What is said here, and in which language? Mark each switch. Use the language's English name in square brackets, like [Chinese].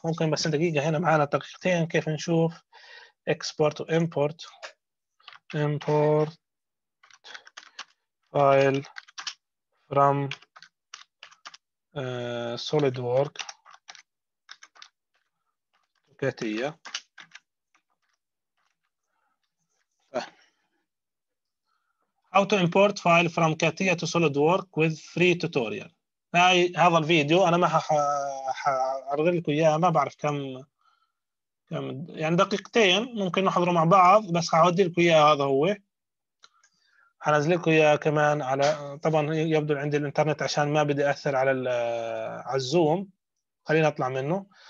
[Arabic] ممكن بس دقيقة هنا معانا دقيقتين كيف نشوف export وimport [English] import file from SolidWorks [Arabic] كاتية. [English] How to import file from CATIA to SolidWorks with free tutorial. [Arabic] هاي هذا الفيديو أنا ما هعرض لكم إياه، ما بعرف كم يعني دقيقتين ممكن نحضره مع بعض، بس هعود لكم إياه. هذا هو هنزل لكم إياه كمان على، طبعا يبدو عندي الإنترنت عشان ما بدي أثر على الزوم، خلينا أطلع منه.